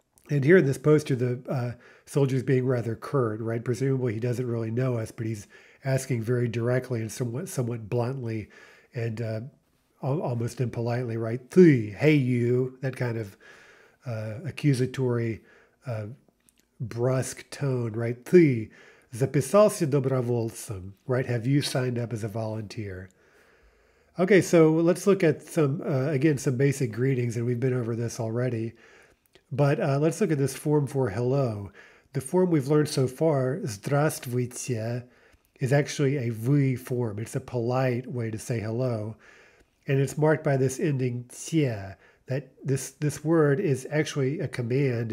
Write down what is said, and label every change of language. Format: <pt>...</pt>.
<en>And here in this poster, the soldier's being rather curt, right? Presumably he doesn't really know us, but he's asking very directly and somewhat bluntly and almost impolitely, right?</en> <ru>Ты,</ru> <en>hey you, that kind of accusatory, brusque tone, right?</en> <ru>Ты, записался добровольцем,</ru> <en>right? Have you signed up as a volunteer? Okay, so let's look at some, again, some basic greetings, and we've been over this already. But let's look at this form for hello. The form we've learned so far, здравствуйте, is actually a вы form. It's a polite way to say hello. And it's marked by this ending тье, that this word is actually a command.</en>